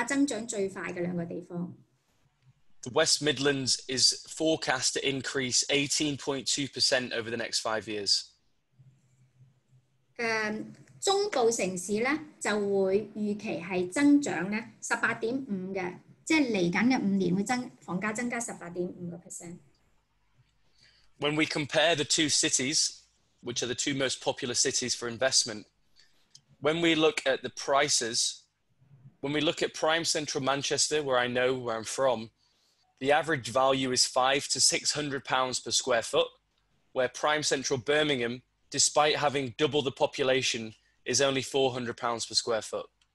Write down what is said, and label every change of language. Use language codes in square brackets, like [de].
[yue] 伯明翰同埋曼城呢,係兩個呢,英國全國來講呢,房價增長最快的兩個地方。 [en] The West Midlands is forecast to increase 18.2% over the next 5 years. [yue] 中部城市呢,就會預期是增長18.5%,即是未來5年會增,房價增加18.5%。 [en] When we compare the two cities, which are the two most popular cities for investment, when we look at the prices, when we look at prime central Manchester, where I know where I'm from, the average value is £500 to £600 per square foot, where prime central Birmingham, despite having double the population, is only £400 per square foot.